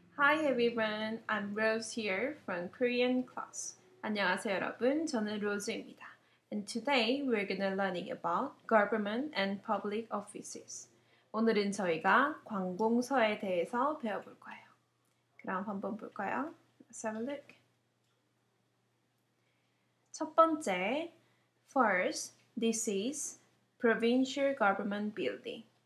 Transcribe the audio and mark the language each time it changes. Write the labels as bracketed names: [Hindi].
[English] Hi everyone, I'm Rose here from Korean class. [Korean] 안녕하세요 여러분, 저는 로즈입니다. [English] And today we're going to learn about government and public offices. [Korean] 오늘은 저희가 관공서에 대해서 배워볼 거예요. 그럼 한번 볼까요? [English] Let's have a look. [Korean] 첫 번째, [English] first, this is provincial government building.